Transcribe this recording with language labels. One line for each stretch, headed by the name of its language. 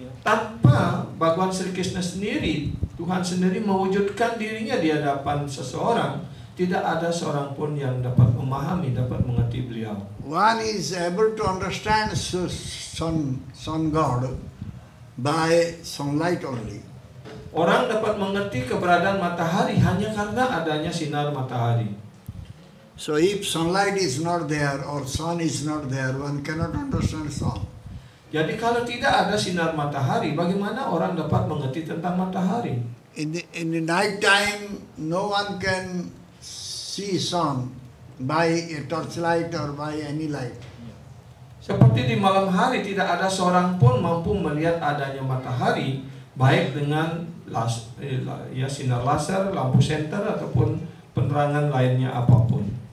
Indonesian: Tanpa Bhagavan Sri Krishna sendiri, Tuhan sendiri mewujudkan dirinya di hadapan seseorang, tidak ada seorang pun yang dapat memahami, dapat mengerti beliau.
English: One is able to understand sun god by sunlight only.
Indonesian: Orang dapat mengerti keberadaan matahari hanya karena adanya sinar matahari.
English: So if sunlight is not there or sun is not there, one cannot understand sun.
Indonesian: Jadi kalau tidak ada sinar matahari, bagaimana orang dapat mengerti tentang matahari?
English: In the night time, no one can see sun by a torchlight or by any light.
Indonesian: Seperti di malam hari, tidak ada seorang pun mampu melihat adanya matahari, baik dengan sinar laser, lampu senter, ataupun penerangan lainnya apapun.